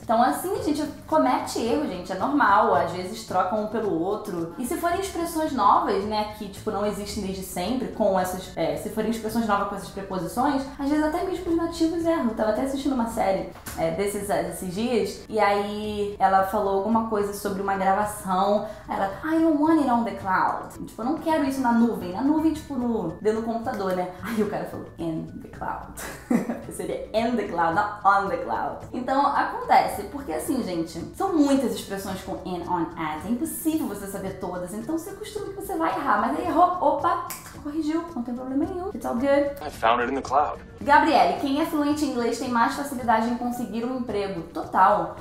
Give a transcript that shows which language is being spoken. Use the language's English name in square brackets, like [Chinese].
[Portuguese] Então assim, a gente comete erro, gente, é normal. Às vezes troca um pelo outro. E se forem expressões novas, né, que tipo não existem desde sempre, com essas... se forem expressões novas com essas preposições, às vezes até mesmo os nativos erram. Tava até assistindo uma série desses dias, e aí ela falou alguma coisa sobre uma gravação. Ela, [English] I don't want it on the cloud. [Portuguese] Tipo, eu não quero isso na nuvem. A nuvem, tipo, no, dentro do computador, né? Aí o cara falou, [English] in the cloud. [Portuguese] Seria [English] in the cloud, not on the cloud. [Portuguese] Então, acontece. Porque assim, gente, são muitas expressões com in, on, at. É impossível você saber todas. Então, você acostuma que você vai errar. Mas aí, opa, corrigiu. Não tem problema nenhum. [English] It's all good. I found it in the cloud. [Portuguese] Gabriele, quem é fluente em inglês tem mais facilidade em conseguir um emprego. Total.